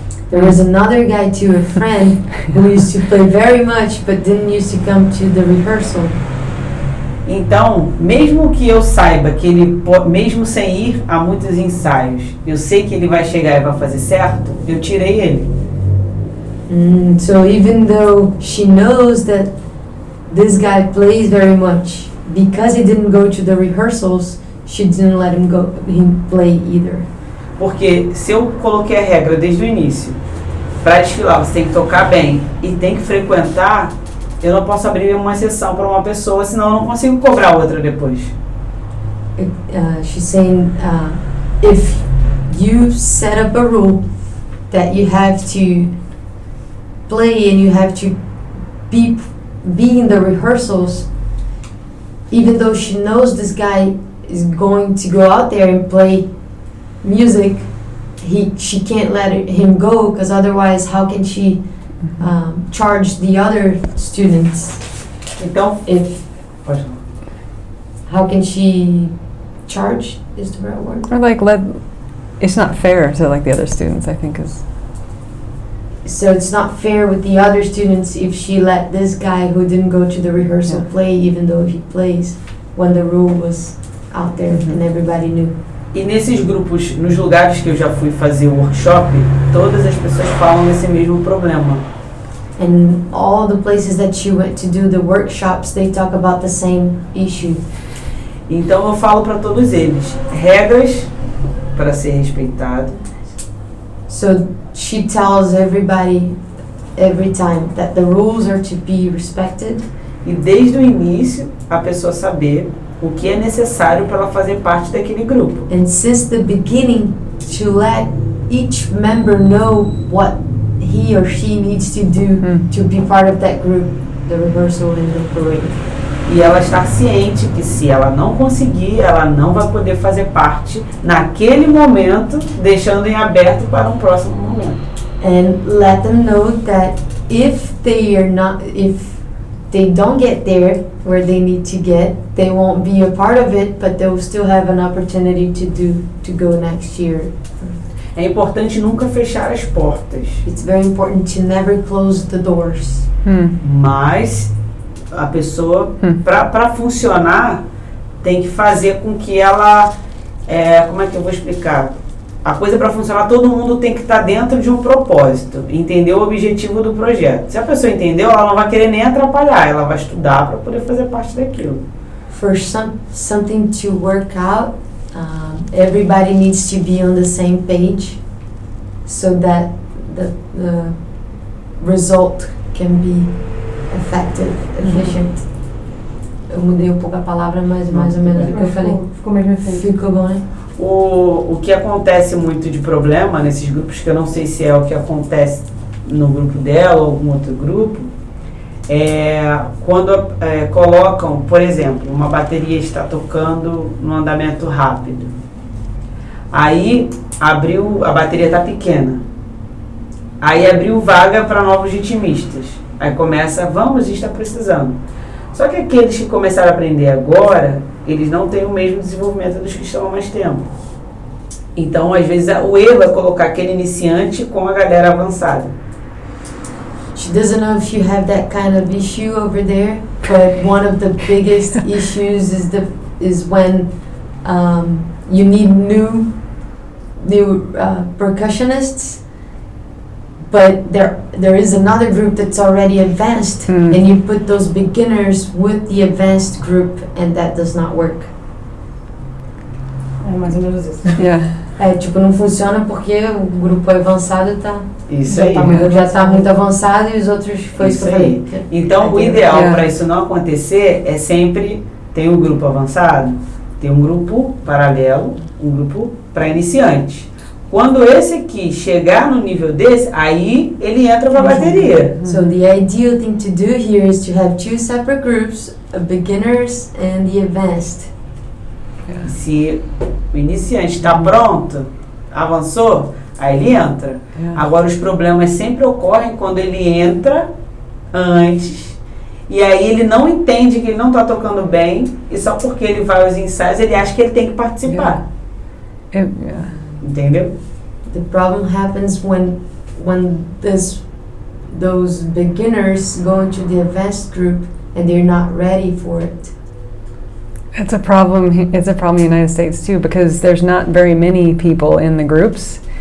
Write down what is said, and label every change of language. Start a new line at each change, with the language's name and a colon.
English: There was another guy too, a friend, who used to play very much but didn't used to come to the rehearsal.
Portuguese: Então, mesmo que eu saiba que ele, mesmo sem ir a muitos ensaios, eu sei que ele vai chegar e vai fazer certo, eu tirei ele.
English: So even though she knows that this guy plays very much, because he didn't go to the rehearsals, she didn't let him go, him play either.
Portuguese: Porque se eu coloquei a regra desde o início, para desfilar você tem que tocar bem e tem que frequentar, eu não posso abrir uma exceção para uma pessoa, senão eu não consigo cobrar outra depois.
English: She's saying, if you set up a rule that you have to play and you have to be in the rehearsals, even though she knows this guy is going to go out there and play music, she can't let him go, because otherwise how can she charge the other students?
Portuguese: Então,
English: if how can she charge is the right word? Or like let, it's not fair to like the other students, I think is. So it's not fair with the other students if she let this guy who didn't go to the rehearsal play, even though he plays, when the rule was out there and everybody knew.
Portuguese: E nesses grupos, nos lugares que eu já fui fazer o workshop, todas as pessoas falam desse mesmo problema.
English: And all the places that she went to do the workshops, they talk about the same issue.
Portuguese: Então eu falo para todos eles, regras para ser respeitado.
English: So she tells everybody every time that the rules are to be respected.
Portuguese: E desde o início, a pessoa saber o que é necessário para ela fazer parte daquele grupo.
English: And since the beginning, to let each member know what he or she needs to do to be part of that group, the rehearsal and the parade.
Portuguese: E ela está ciente que se ela não conseguir, ela não vai poder fazer parte naquele momento, deixando em aberto para um próximo momento.
English: And let them know that if they are not, if they don't get there where they need to get, they won't be a part of it, but they will still have an opportunity to do, to go next year.
Portuguese: É importante nunca fechar as portas.
English: It's very important to never close the doors.
Portuguese: Mas a pessoa, para funcionar, tem que fazer com que ela, como é que eu vou explicar? A coisa para funcionar, todo mundo tem que estar dentro de um propósito, entender o objetivo do projeto. Se a pessoa entendeu, ela não vai querer nem atrapalhar, ela vai estudar para poder fazer parte daquilo.
English: For something to work out, everybody needs to be on the same page so that the result can be effective, efficient.
Portuguese: Eu mudei um pouco a palavra, mas mais ou menos o que eu falei. Ficou mesmo assim. Ficou bom, né? O que acontece muito de problema nesses grupos, que eu não sei se é o que acontece no grupo dela ou algum outro grupo, é quando colocam, por exemplo, uma bateria está tocando num andamento rápido. Aí abriu, a bateria está pequena. Aí abriu vaga para novos ritmistas. Aí começa, vamos, a gente está precisando. Só que aqueles que começaram a aprender agora, eles não têm o mesmo desenvolvimento dos que estão há mais tempo. Então, às vezes, o erro é colocar aquele iniciante com a galera avançada.
English: She doesn't know if you have that kind of issue over there, but one of the biggest issues is the is when you need new percussionists. But there is another group that's already advanced, and you put those beginners with the advanced group, and that does not work.
Portuguese: É mais ou menos isso.
English: Yeah.
Portuguese: É, tipo, não funciona porque o grupo avançado tá. Isso aí. Já tá muito avançado e os outros foi isso aí. Então, o ideal para isso não acontecer é sempre ter um grupo avançado, ter um grupo paralelo, um grupo para iniciante. Quando esse aqui chegar no nível desse, aí ele entra na bateria. So the ideal thing to do here is to have two separate groups, a beginners and the advanced. Se o iniciante está pronto, avançou, aí ele entra. É. Agora, os problemas sempre ocorrem quando ele entra antes. E aí ele não entende que ele não está tocando bem, e só porque ele vai aos ensaios, ele acha que ele tem que participar. Entendeu?
English: The problem happens when those beginners go into the advanced group and they're not ready for it. It's a problem. It's a problem in the United States too, because there's not very many people in the groups.